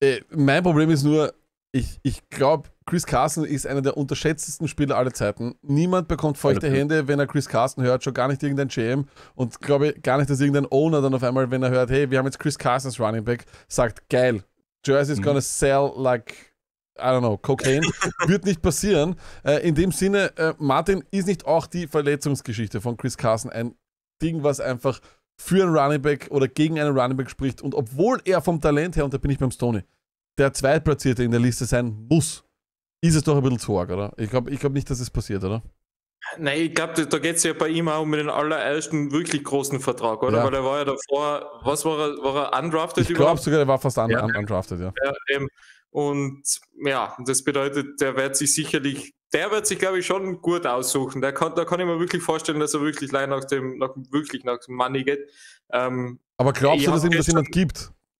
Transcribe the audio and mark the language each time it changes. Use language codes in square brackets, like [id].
[de] Mein Problem ist nur, ich glaube, Chris Carson ist einer der unterschätztesten Spieler aller Zeiten. Niemand bekommt feuchte Hände, wenn er Chris Carson hört, schon gar nicht irgendein GM, und glaube gar nicht, dass irgendein Owner dann auf einmal, wenn er hört, hey, wir haben jetzt Chris Carsons Running Back, sagt, geil. [en] Jersey is gonna sell like, I don't know, cocaine. [de] Wird nicht passieren. In dem Sinne, Martin, ist nicht auch die Verletzungsgeschichte von Chris Carson ein Ding, was einfach für einen Running Back oder gegen einen Running Back spricht? Und obwohl er vom Talent her, und da bin ich beim Stoney, der Zweitplatzierte in der Liste sein muss, ist es doch ein bisschen zu arg, oder? Ich glaube nicht, dass es passiert, oder? Nein, ich glaube, da geht es ja bei ihm auch um den allerersten wirklich großen Vertrag, oder? Ja. Weil er war ja davor, was war er, undrafted? Ich glaube sogar, er war fast undrafted, ja. Und ja, das bedeutet, der wird sich, glaube ich, schon gut aussuchen. Da kann ich mir wirklich vorstellen, dass er wirklich allein nach dem Money geht. Aber glaubst du, dass ihm das jemand gibt?